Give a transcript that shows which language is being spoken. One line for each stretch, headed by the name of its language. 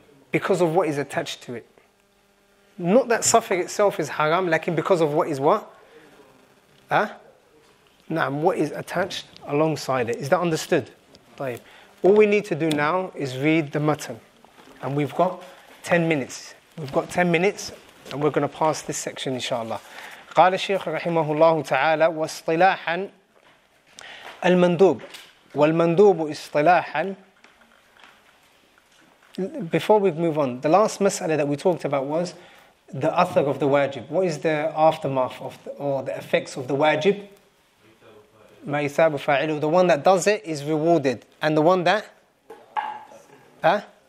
English: Because of what is attached to it. Not that suffering itself is haram, lakin because of what is what? Huh? Na'am, what is attached alongside it. Is that understood? طيب. All we need to do now is read the matan. And we've got 10 minutes. We've got 10 minutes and we're going to pass this section, inshallah.
Arabic: قال الشيخ رحمه الله تعالى واصطلاحا المندوب والمندوب اصطلاحا.
English: Before we move on, the last mas'ala that we talked about was the athar of the wajib. What is the aftermath of the effects of the wajib?
Arabic: ما يثاب فاعله.
English: The one that does it is rewarded. And the one that? Huh?